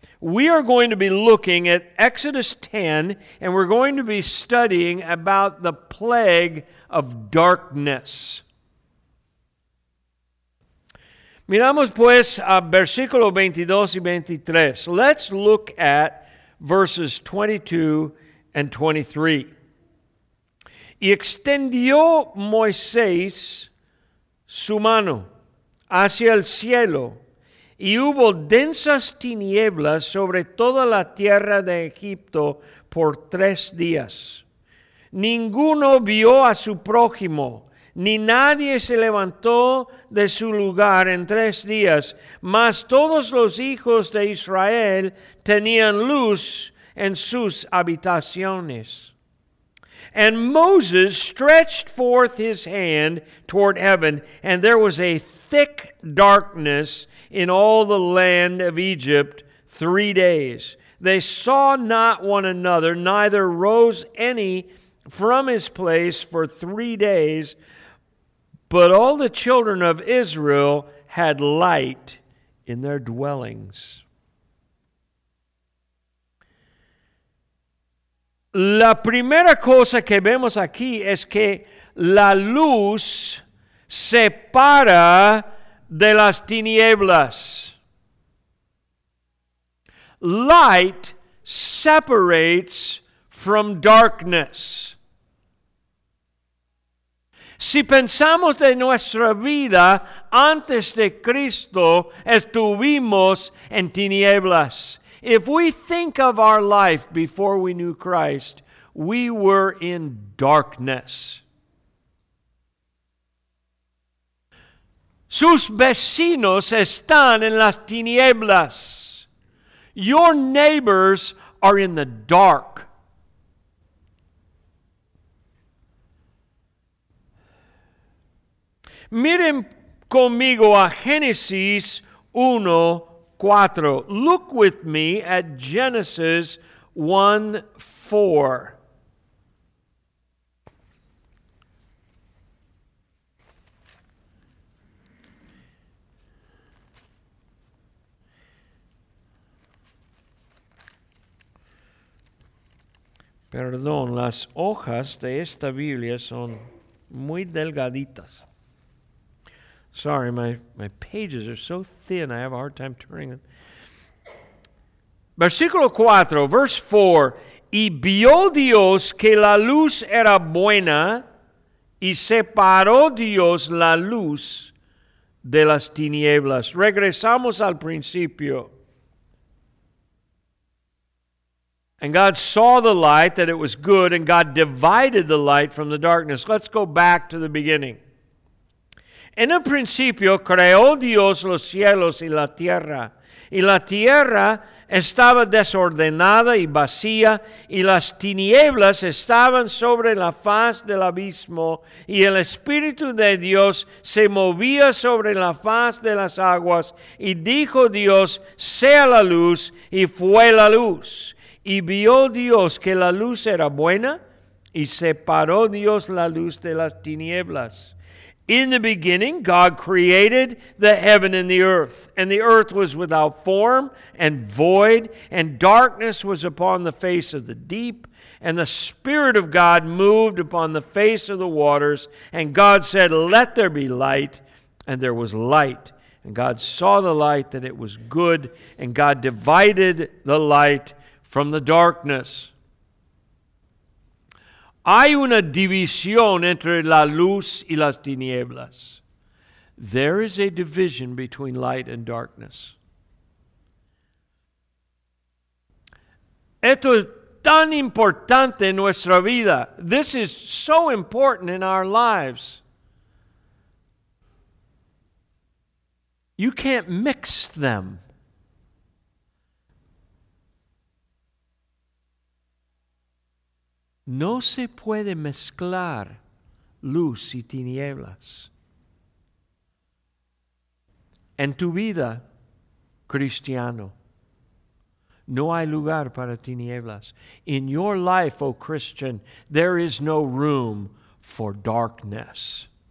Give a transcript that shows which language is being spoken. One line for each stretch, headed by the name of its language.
English: We are going to be looking at Exodus 10 and we're going to be studying about the plague of darkness.
Spanish: Miramos pues a versículo 22 y 23.
English: Let's look at verses 22 and 23.
Spanish: Y extendió Moisés su mano hacia el cielo, y hubo densas tinieblas sobre toda la tierra de Egipto por tres días. Ninguno vio a su prójimo, ni nadie se levantó de su lugar en tres días, mas todos los hijos de Israel tenían luz en sus habitaciones.
English: And Moses stretched forth his hand toward heaven, and there was a thick darkness in all the land of Egypt 3 days. They saw not one another, neither rose any from his place for 3 days, but all the children of Israel had light in their dwellings.
Spanish: La primera cosa que vemos aquí es que la luz separa de las tinieblas.
English: Light separates from darkness.
Spanish: Si pensamos de nuestra vida antes de Cristo, estuvimos en tinieblas.
English: If we think of our life before we knew Christ, we were in darkness.
Spanish: Sus vecinos están en las tinieblas.
English: Your neighbors are in the dark.
Spanish: Miren conmigo a Génesis 1:4.
English: Look with me at Genesis 1:4.
Spanish: Perdón, las hojas de esta Biblia son muy delgaditas.
English: Sorry, my pages are so thin, I have a hard time turning them.
Spanish: Versículo 4,
English: verse 4.
Spanish: Y vio Dios que la luz era buena, y separó Dios la luz de las tinieblas. Regresamos al principio.
English: And God saw the light, that it was good, and God divided the light from the darkness. Let's go back to the beginning.
Spanish: En el principio creó Dios los cielos y la tierra estaba desordenada y vacía, y las tinieblas estaban sobre la faz del abismo, y el Espíritu de Dios se movía sobre la faz de las aguas, y dijo Dios, sea la luz, y fue la luz. Y vio Dios que la luz era buena, y separó Dios la luz de las tinieblas.
English: In the beginning, God created the heaven and the earth, and the earth was without form and void, and darkness was upon the face of the deep, and the Spirit of God moved upon the face of the waters, and God said, let there be light, and there was light. And God saw the light, that it was good, and God divided the light from the darkness.
Spanish: Hay una división entre la luz y las tinieblas.
English: There is a division between light and darkness.
Spanish: Esto es tan importante en nuestra vida.
English: This is so important in our lives. You can't mix them.
Spanish: No se puede mezclar luz y tinieblas. En tu vida, cristiano, no hay lugar para tinieblas.
English: In your life, oh Christian, there is no room for darkness.